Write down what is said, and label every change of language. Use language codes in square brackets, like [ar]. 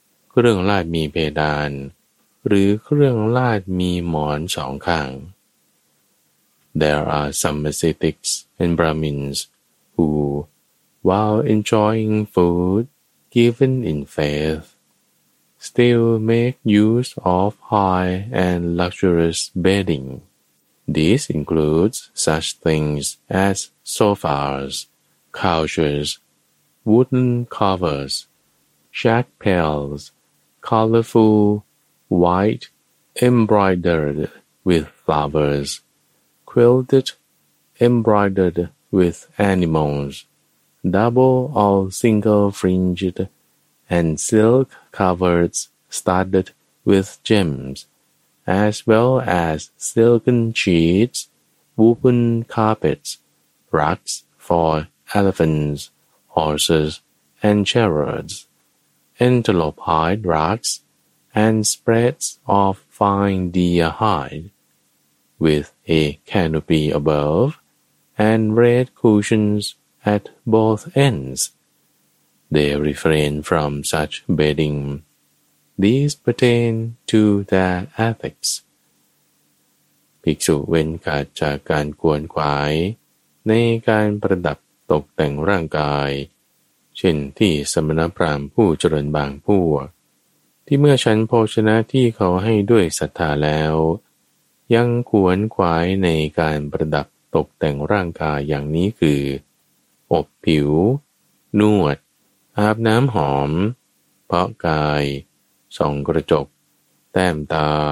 [th] เครื่องลาดมีเพดานหรือเครื่องลาดมีหมอนสองข้าง [en] There are some ascetics and Brahmins who, while enjoying food given in faith, still make use of high and luxurious bedding. This includes such things as sofas, couches, wooden covers, shag pails, colorful, white, embroidered with flowers, quilted, embroidered with animals, double or single fringed, and silk covers studded with gems. As well as silken sheets, woven carpets, rugs for elephants, horses, and chariots, antelope hide rugs, and spreads of fine deer hide, with a canopy above, and red cushions at both ends. They refrain from such bedding. These pertain to their ethics. [th] ภิกษุเว้นขาดจากการขวนขวายในการประดับตกแต่งร่างกายเช่นที่สมณพราหมณ์ผู้เจริญบางพวกที่เมื่อฉันโภชนะที่เขาให้ด้วยศรัทธาแล้วยังขวนขวายในการประดับตกแต่งร่างกายอย่างนี้คืออบผิวนวดอาบน้ำหอมเพาะกายส่องกระจกแต้มตา